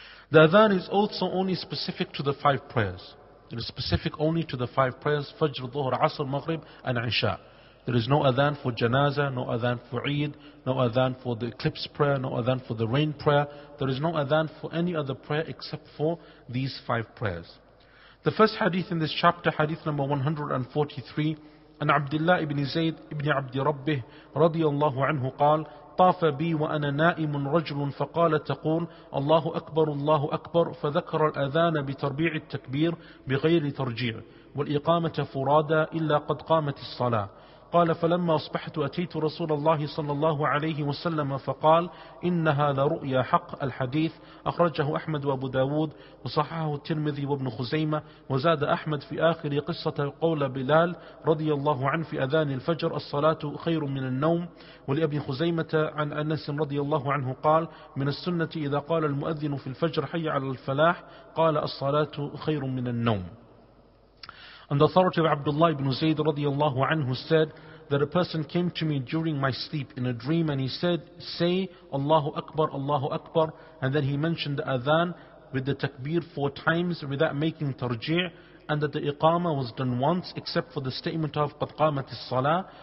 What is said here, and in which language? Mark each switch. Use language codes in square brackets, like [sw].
[en] The adhan is also only specific to the five prayers. It is specific only to the five prayers, Fajr, Dhuhr, Asr, Maghrib, and Isha. There is no adhan for janazah, no adhan for Eid, no adhan for the eclipse prayer, no adhan for the rain prayer. There is no adhan for any other prayer except for these five prayers. The first hadith in this chapter, hadith number 143, [ar] an Abdullah ibn Zayd ibn Abdi Rabbih radiyallahu anhu qal, طاف بي وأنا نائم رجل فقال تقول الله أكبر الله أكبر فذكر الأذان بتربيع التكبير بغير ترجيع والإقامة فرادى إلا قد قامت الصلاة قال فلما أصبحت أتيت رسول الله صلى الله عليه وسلم فقال إن هذا رؤيا حق الحديث أخرجه أحمد وأبو داود وصححه الترمذي وابن خزيمة وزاد أحمد في آخر قصة قول بلال رضي الله عنه في أذان الفجر الصلاة خير من النوم ولأبي خزيمة عن أنس رضي الله عنه قال من السنة إذا قال المؤذن في الفجر حي على الفلاح قال الصلاة خير من النوم. [en] And the authority of Abdullah ibn Zayd radiyallahu anhu said that a person came to me during my sleep in a dream and he said, say, Allahu Akbar, Allahu Akbar. And then he mentioned the adhan with the takbir four times without making tarji' and that the iqama was done once except for the statement of qad qamat as-salah.